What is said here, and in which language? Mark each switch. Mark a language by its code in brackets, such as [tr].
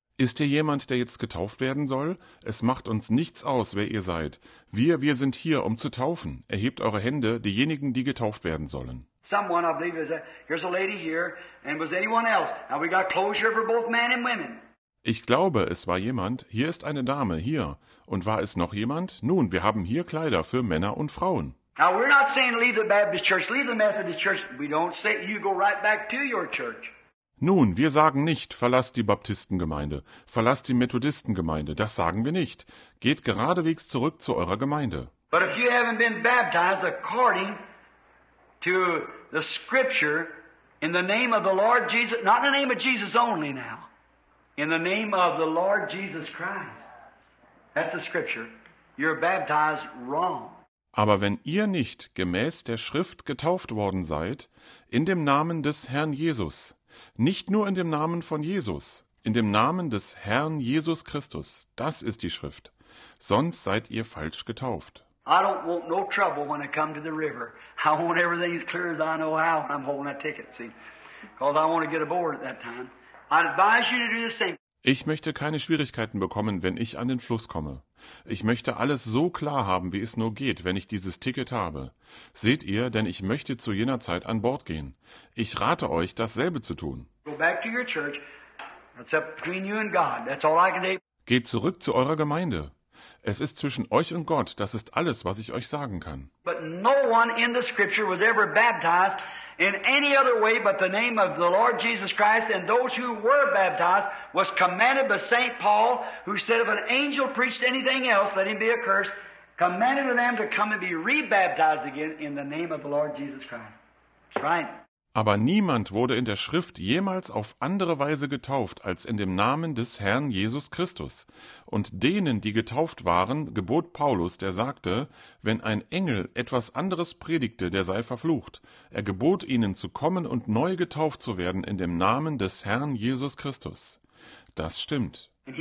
[de] Ist hier jemand, der jetzt getauft werden soll? Es macht uns nichts aus, wer ihr seid. Wir sind hier, um zu taufen. Erhebt eure Hände, diejenigen, die getauft werden sollen. [en] Someone, I believe, here's a lady here, and was anyone else? Now we got closure for both men and women. [de] Ich glaube, es war jemand. Hier ist eine Dame, hier. Und war es noch jemand? Nun, wir haben hier Kleider für Männer und Frauen. [en] Now we're not saying leave the Baptist church, leave the Methodist church. We don't say you go right back to your church. [de] Nun, wir sagen nicht, verlasst die Baptistengemeinde, verlasst die Methodistengemeinde, das sagen wir nicht. Geht geradewegs zurück zu eurer Gemeinde. [en] But if you haven't been baptized according to the scripture in the name of the Lord Jesus, not in the name of Jesus only now, in the name of the Lord Jesus Christ, that's the scripture, you're baptized wrong. [de] Aber wenn ihr nicht gemäß der Schrift getauft worden seid, in dem Namen des Herrn Jesus, nicht nur in dem Namen von Jesus, In dem Namen des Herrn Jesus Christus, das ist die Schrift. Sonst seid ihr falsch getauft. [en] I don't want no trouble when I come to the river. I want everything as clear as I know how when I'm holding that ticket, see. Because I want to get aboard at that time. I'd advise you to do the same. [de] Ich möchte keine Schwierigkeiten bekommen, wenn ich an den Fluss komme. Ich möchte alles so klar haben, wie es nur geht, wenn ich dieses Ticket habe. Seht ihr, denn ich möchte zu jener Zeit an Bord gehen. Ich rate euch, dasselbe zu tun. [en] Go back to your church. That's up between you and God. That's all I can do. [de] Geht zurück zu eurer Gemeinde. Es ist zwischen euch und Gott. Das ist alles, was ich euch sagen kann. [en] But no one in the scripture was ever baptized in any other way but the name of the Lord Jesus Christ, and those who were baptized was commanded by St. Paul, who said if an angel preached anything else, let him be accursed, commanded them to come and be rebaptized again in the name of the Lord Jesus Christ. That's right. [de] Aber niemand wurde in der Schrift jemals auf andere Weise getauft als in dem Namen des Herrn Jesus Christus. Und denen, die getauft waren, gebot Paulus, der sagte, wenn ein Engel etwas anderes predigte, der sei verflucht. Er gebot ihnen zu kommen und neu getauft zu werden in dem Namen des Herrn Jesus Christus. Das stimmt.